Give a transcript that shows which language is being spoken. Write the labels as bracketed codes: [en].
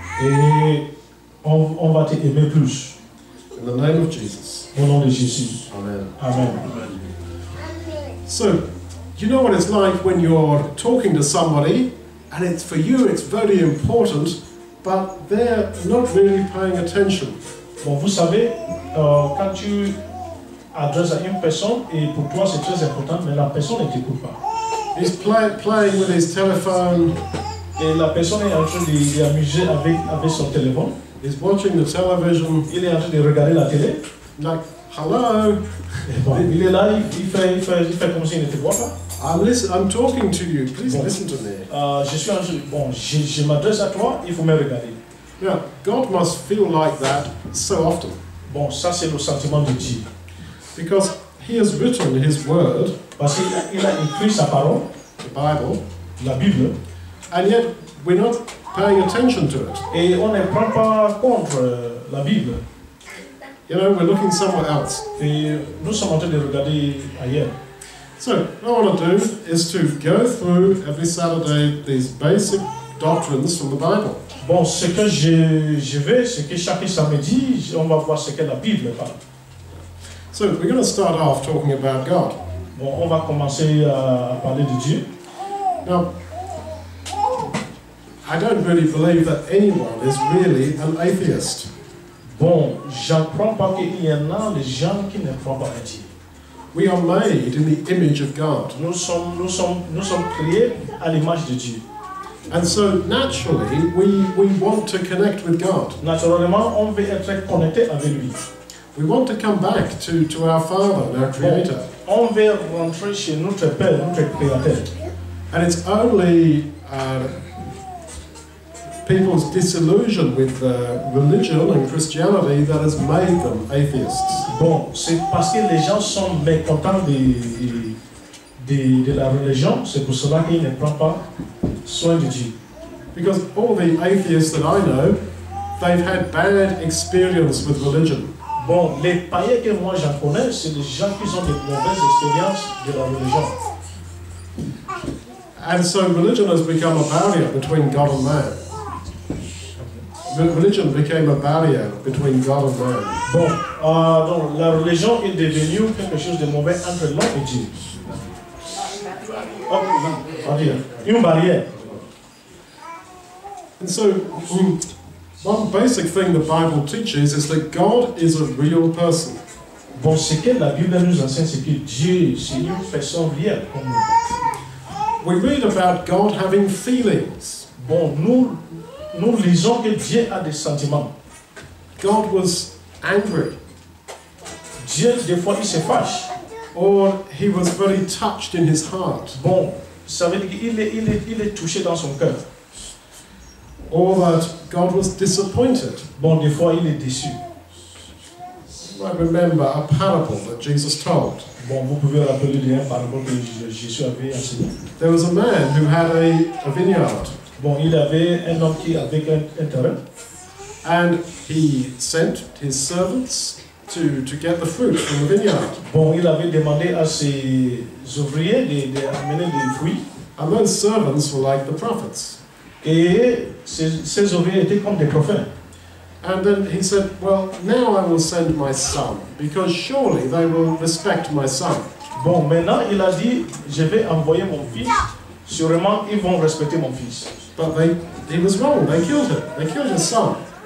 [fr] Et on va te aimer plus. [en] In the name of Jesus. [fr] Au nom de Jésus. Amen. Amen. [en] So, you know what it's like when you're talking to somebody, and it's for you, it's very important, but they're not really paying attention. [fr] Bon, vous savez, quand tu adresses à une personne, et pour toi c'est très important, mais la personne ne t'écoute pas. [en] He's playing with his telephone. [fr] Et la personne est en train de s'amuser avec son téléphone. [en] He's watching the television. [fr] Il est en train de regarder la télé. [en] Like, hello. [fr] Il est là, il fait comme si il n'était pas là. [en] I'm talking to you. Please [fr] bon. [en] Listen to me. [fr] Je m'adresse à toi. Il faut me regarder. [en] Yeah, God must feel like that so often. [fr] Bon, ça c'est le sentiment de Dieu. [en] Because He has written His Word. [fr] Parce qu'il a écrit sa parole. [en] The Bible. [fr] La Bible. [en] And yet we're not paying attention to it. [fr] Et on ne prend pas compte la Bible. [en] You know, we're looking somewhere else. [fr] Et nous sommes en train de regarder ailleurs. [en] So, what I want to do is to go through every Saturday these basic doctrines from the Bible. [fr] Bon, ce que je vais, c'est que chaque samedi, on va voir ce que la Bible parle. [en] So, we're going to start off talking about God. [fr] Bon, on va commencer à parler de Dieu. [en] Now, I don't really believe that anyone is really an atheist. [fr] Bon, je ne crois pas qu'il y en a des gens qui ne croient pas à Dieu. [en] We are made in the image of God. [fr] Nous sommes créés à l'image de Dieu. [en] And so naturally, we want to connect with God. [fr] Naturellement, on veut être connecté avec lui. [en] We want to come back to our Father, our Creator. [fr] On veut rentrer chez notre Père, notre Créateur. [en] And it's only people's disillusion with religion and Christianity that has made them atheists. [fr] Bon, c'est parce que les gens sont mécontents de la religion, c'est pour cela qu'ils ne prennent pas soin de Dieu. [en] Because all the atheists that I know, they've had bad experience with religion. [fr] Bon, les païens que moi j'en connais, c'est des gens qui ont des mauvaises expériences de la religion. [en] And so religion has become a barrier between God and man. Religion became a barrier between God and man. [fr] Bon, donc la religion est devenue quelque chose de mauvais entre l'homme et Dieu. Une barrière. [en] And so, one basic thing the Bible teaches is that God is a real person. [fr] Bon, ce que la Bible nous enseigne, c'est que Dieu, c'est une personne réelle comme nous. [en] We read about God having feelings. [fr] Bon, nous lisons que Dieu a des sentiments. [en] God was angry. [fr] Dieu, des fois, il se fâche. [en] Or he was very touched in his heart. [fr] Bon, ça veut dire qu'il est touché dans son cœur. [en] Or that God was disappointed. [fr] Bon, des fois, il est déçu. [en] You might remember a parable that Jesus told. [fr] Bon, vous pouvez rappeler une parabole que Jésus avait enseigné. [en] There was a man who had a vineyard. [fr] Bon, il avait un homme qui avait un terrain. [en] And he sent his servants to get the fruit from the vineyard. [fr] Bon, il avait demandé à ses ouvriers de amener des fruits. [en] And those servants were like the prophets. [fr] Et ses ouvriers étaient comme des prophètes. [en] And then he said, well, now I will send my son, because surely they will respect my son. [fr] Bon, maintenant il a dit, je vais envoyer mon fils, sûrement ils vont respecter mon fils. [en] But he was wrong, they killed him, they killed his son.